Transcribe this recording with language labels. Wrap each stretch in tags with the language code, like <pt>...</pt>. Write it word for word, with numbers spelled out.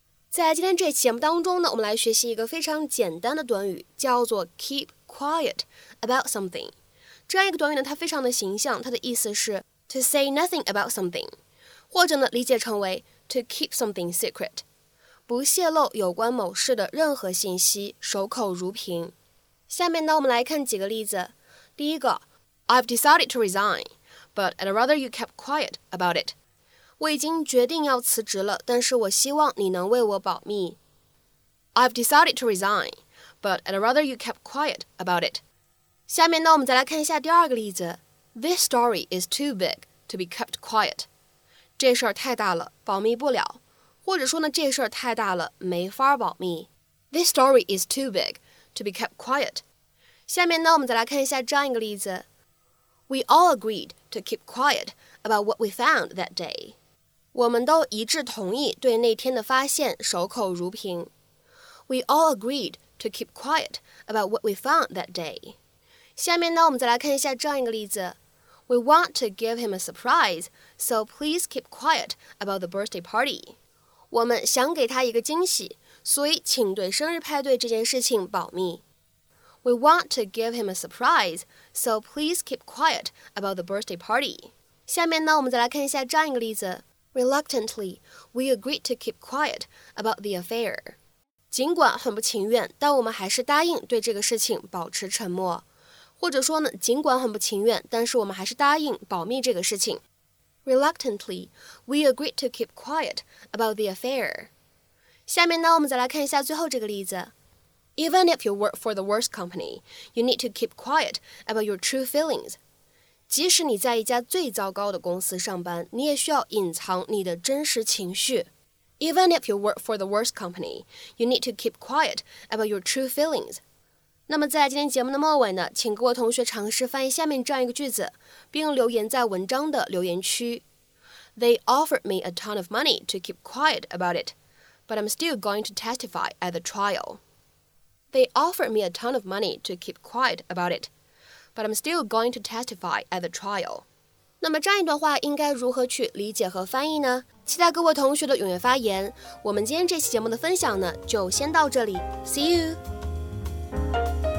<zh>在今天这期节目当中呢，我们来学习一个非常简单的短语，叫做</zh> <en>keep quiet about something。</en> <zh>这样一个短语呢，它非常的形象，它的意思是</zh> <en>to say nothing about something，</en> <zh>或者呢理解成为</zh> <en>to keep something secret，</en> <zh>不泄露有关某事的任何信息，守口如瓶。下面呢，我们来看几个例子。第一个</zh> <en>，I've decided to resign, but I'd rather you kept quiet about it。</en> <zh>我已经决定要辞职了，但是我希望你能为我保密。</zh> <en>I've decided to resign, but I'd rather you kept quiet about it.</en> <zh>下面呢，我们再来看一下第二个例子。</zh> <en>This story is too big to be kept quiet.</en> <zh>这事儿太大了，保密不了。或者说呢，这事儿太大了，没法保密。</zh> <en>This story is too big to be kept quiet.</en> <zh>下面呢，我们再来看一下这样一个例子。</zh> <en>We all agreed to keep quiet about what we found that day.</en> <zh>我们都一致同意对那天的发现守口如瓶。</zh> <en>We all agreed to keep quiet about what we found that day.</en> <zh>下面呢，我们再来看一下这样一个例子。</zh> <en>We want to give him a surprise, so please keep quiet about the birthday party.</en> <zh>我们想给他一个惊喜，所以请对生日派对这件事情保密。</zh> <en>We want to give him a surprise, so please keep quiet about the birthday party.</en> <zh>下面呢，我们再来看一下这样一个例子。</zh> <en>Reluctantly, we agreed to keep quiet about the affair.</en> <zh>尽管很不情愿，但我们还是答应对这个事情保持沉默。或者说呢，尽管很不情愿，但是我们还是答应保密这个事情。</zh> <en>Reluctantly, we agreed to keep quiet about the affair.</en> <zh>下面呢，我们再来看一下最后这个例子。</zh> <en>Even if you work for the worst company, you need to keep quiet about your true feelings.</en> <zh>即使你在一家最糟糕的公司上班，你也需要隐藏你的真实情绪。</zh> <en>Even if you work for the worst company, you need to keep quiet about your true feelings.</en> <zh>那么在今天节目的末尾呢，请各位同学尝试翻译下面这样一个句子，并留言在文章的留言区。</zh> <en>They offered me a ton of money to keep quiet about it, but I'm still going to testify at the trial. They offered me a ton of money to keep quiet about it.But I'm still going to testify at the trial.</en> <zh>那么这样一段话应该如何去理解和翻译呢？期待各位同学的踊跃发言。我们今天这期节目的分享呢，就先到这里 ，</zh> <en>See you。</en>